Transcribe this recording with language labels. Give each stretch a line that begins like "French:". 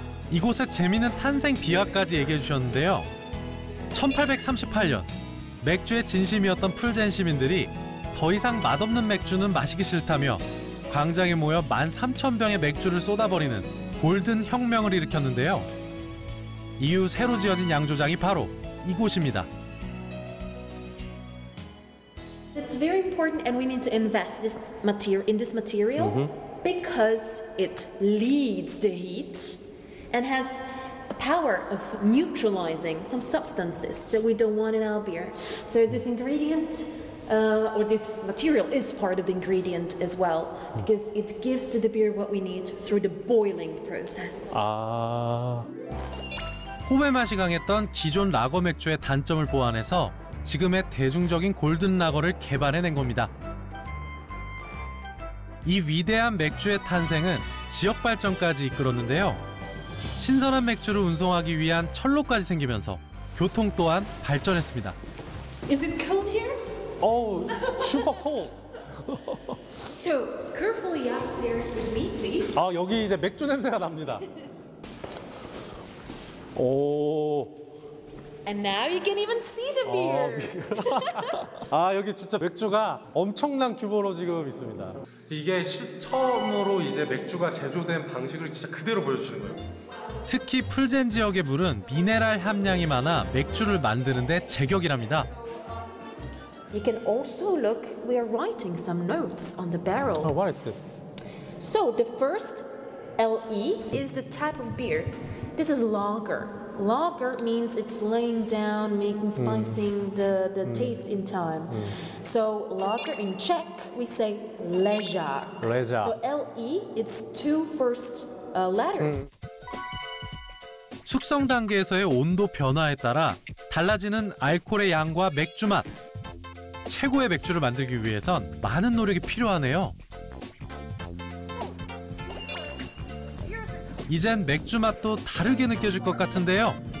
Korean: 이곳의 재미있는 탄생 비화까지 얘기해 주셨는데요. 1838년, 맥주의 진심이었던 풀젠 시민들이 더 이상 맛없는 맥주는 마시기 싫다며 광장에 모여 13,000병의 맥주를 쏟아버리는 골든 혁명을 일으켰는데요. 이후 새로 지어진 양조장이 바로 이곳입니다.
English: It's very important and we need to invest this material in this material because it leads the heat and has a the power of neutralizing some substances that we don't want in our beer. So this ingredient or this material is part of the ingredient as well because it gives to the beer what we need through the boiling process.
Korean: 아. 홈의 맛이 강했던 기존 라거 맥주의 단점을 보완해서 지금의 대중적인 골든 라거를 개발해낸 겁니다. 이 위대한 맥주의 탄생은 지역 발전까지 이끌었는데요. 신선한 맥주를 운송하기 위한 철로까지 생기면서 교통 또한 발전했습니다.
English: Is it cold here? Oh, super cold. So carefully upstairs with me, please.
Korean: 아, 여기 이제 맥주 냄새가 납니다. 오.
English: And now you can even see the beer.
Korean: 아, 여기 진짜 맥주가 엄청난 규모로 지금 있습니다. 이게 처음으로 이제 맥주가 제조된 방식을 진짜 그대로 보여주시는 거예요. 특히 풀젠 지역의 물은 미네랄 함량이 많아 맥주를 만드는 데 제격이랍니다.
English: You can also look, we are writing some notes on the barrel. Oh, what is this? So the first LE is the type of beer. This is lager. Lager means it's laying down, making spicing the taste in time. So lager in Czech, we say ležák. So LE, it's two first letters.
Korean: 숙성 단계에서의 온도 변화에 따라 달라지는 알코올의 양과 맥주 맛. 최고의 맥주를 만들기 위해선 많은 노력이 필요하네요. 이젠 맥주 맛도 다르게 느껴질 것 같은데요.